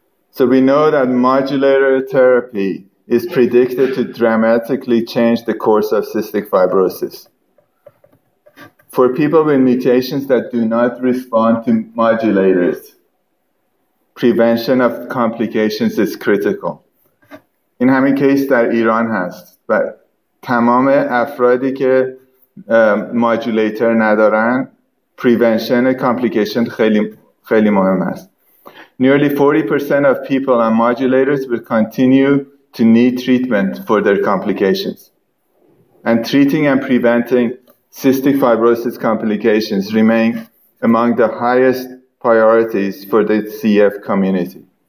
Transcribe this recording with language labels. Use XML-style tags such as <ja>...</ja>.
<en>So we know that modulator therapy is predicted to dramatically change the course of cystic fibrosis. For people with mutations that do not respond to modulators, prevention of complications is critical.</en> <fa>In همین case در ایران هست و تمام افرادی که modulator ندارن</fa> <en>prevention complication</en> <fa>خیلی مهم است.</fa> <en>Nearly 40% of people on modulators will continue to need treatment for their complications. And treating and preventing cystic fibrosis complications remain among the highest priorities for the CF community.</en>